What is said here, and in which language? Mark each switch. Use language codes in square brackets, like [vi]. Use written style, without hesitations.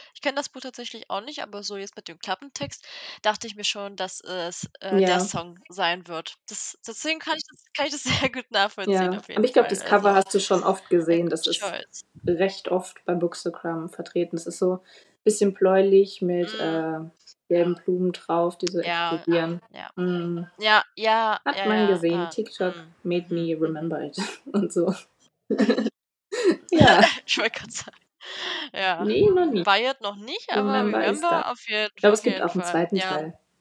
[de] Ich kenne das Buch tatsächlich auch nicht, aber so jetzt mit dem Klappentext dachte ich mir schon, dass es der Song sein wird. Deswegen kann ich das sehr gut nachvollziehen. Ja. Aber ich glaube, das Cover hast du schon oft gesehen. Das ist recht oft bei Bookstagram vertreten. Das ist so ein bisschen bläulich mit gelben Blumen drauf, die so explodieren. Hat man gesehen. [en] TikTok made me remember it. [de] Und so. Ja. Ich wollte gerade sagen. Ja. Nee, noch nicht. Wyatt noch nicht, aber Remember auf jeden Fall. Ich glaube, es gibt auch einen zweiten Teil.